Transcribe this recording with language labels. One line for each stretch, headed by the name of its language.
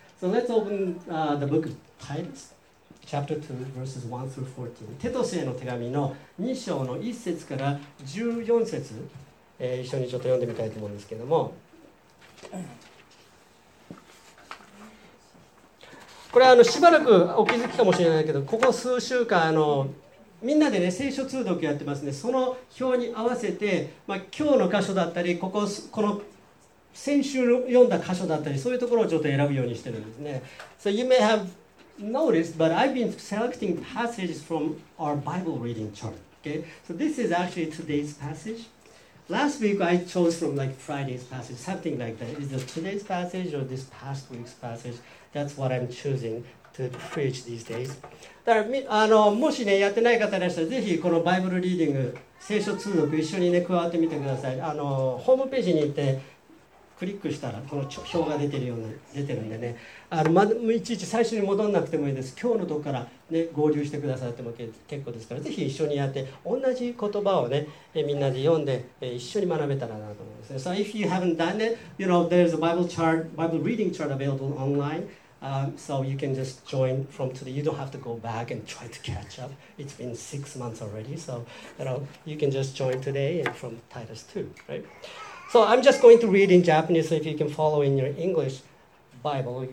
English: So let's open the book of Titus, chapter 2, verses 1 through 14.
Japanese: テトスへの手紙の2章の1節から14節、一緒にちょっと読んでみたいと思うんですけども。これしばらくお気づきかもしれないけど、ここ数週間みんなでね聖書通読やってますね。その表に合わせて、まあ、今日の箇所だったり、この先週読んだ箇所だったり、そういうところをちょっと選ぶようにしてるんですね。
English: So you may have noticed, but I've been selecting passages from our Bible reading chart. Okay, so this is actually today's passage. Last week I chose from like Friday's passage, something like that. Is it today's passage or this past week's passage? That's what I'm choosing to preach these days.
Japanese: だから、もしね、やってない方でしたら、ぜひこの Bible reading、聖書通読一緒にね、加わってみてください。ホームページに行って、クリックしたらこの表が出てるような出てるんでね、いちいち最初に戻んなくてもいいです。今日のとこから、ね、合流してくださっても結構ですから、ぜひ一緒にやって同じ言葉をねみんなで読んで一緒に学べたらなと思いますね。
English: So if you haven't done it, you know, there's a Bible chart, Bible reading chart available online, so you can just join from today. You don't have to go back and try to catch up. It's been 6 months already, so you know, you can just join today and from Titus 2, right? So I'm just going to read in Japanese, so if you can follow in your English Bible.